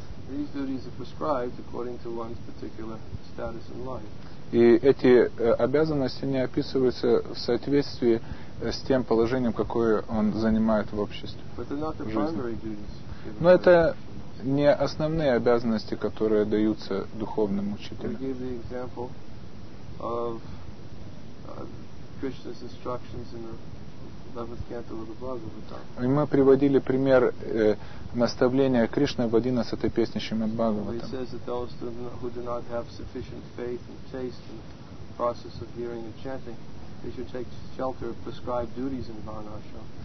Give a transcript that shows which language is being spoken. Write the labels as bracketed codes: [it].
[en] These duties are prescribed according to one's particular status in life. [ru] И эти обязанности не описываются в соответствии с тем положением, какое он занимает в обществе. [en] But they're not the primary duties. [ru] Но это не основные обязанности, которые даются духовным учителям. [en] We gave the example of Krishna's instructions in the 11th canto of the Bhagavad Gita. [ru] И мы приводили пример наставления Кришны в 11-й песне Шримад Бхагаватам. [en] He says that those who do not have sufficient faith and taste in the process of hearing and chanting, they should take shelter of prescribed duties in Varnashram.